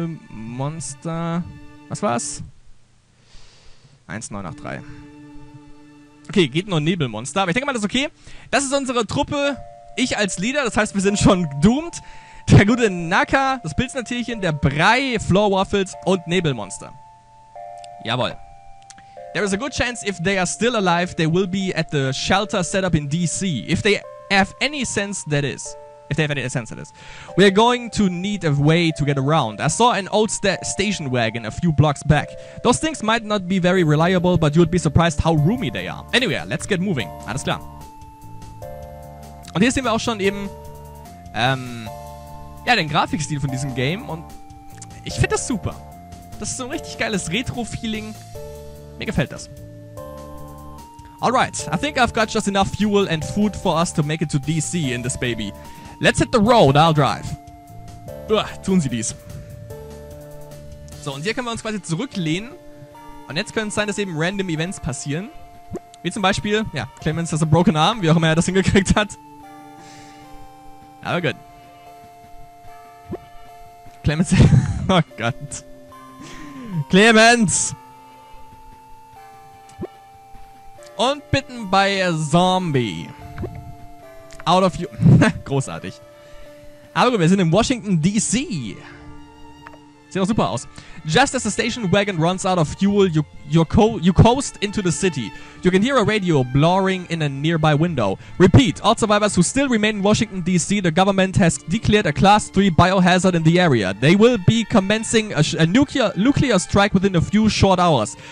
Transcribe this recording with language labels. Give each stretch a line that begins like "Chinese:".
German: Nebelmonster. Was war's? 1983. Okay, geht nur Nebelmonster, aber ich denke mal, das ist okay. Das ist unsere Truppe. Ich als Leader, das heißt, wir sind schon doomed. Der gute Naka, das Pilznatierchen, der Brei, Floor Waffles und Nebelmonster. Jawohl.
English: There is a good chance if they are still alive, they will be at the shelter set up in DC. If they have any sense, that is. if they have any sense of this. We are going to need a way to get around. I saw an old station wagon a few blocks back. Those things might not be very reliable, but you'd be surprised how roomy they are. Anyway, let's get moving.
German: Alles klar. Und hier sehen wir auch schon eben ja, den Grafikstil von diesem Game. Und ich finde das super. Das ist so ein richtig geiles Retro-Feeling. Mir gefällt das.
English: Alright, I think I've got just enough fuel and food for us to make it to DC in this baby. Let's hit the road, I'll drive.
German: Uah, tun Sie dies. So, und hier können wir uns quasi zurücklehnen. Und jetzt können es sein, dass eben random Events passieren. Wie zum Beispiel, ja,
English: Clemens has a broken arm,
German: wie auch immer er das hingekriegt hat. Aber gut. Clemens, oh Gott. Clemens! Und bitten bei Zombie.
English: Out of you.
German: Großartig. Aber gut, wir sind in Washington, D.C. Sieht auch super aus.
English: Just as the station wagon runs out of fuel, you coast into the city. You can hear a radio blaring in a nearby window. Repeat, all survivors who still remain in Washington, D.C., the government has declared a Class 3 biohazard in the area. They will be commencing a nuclear strike within a few short hours.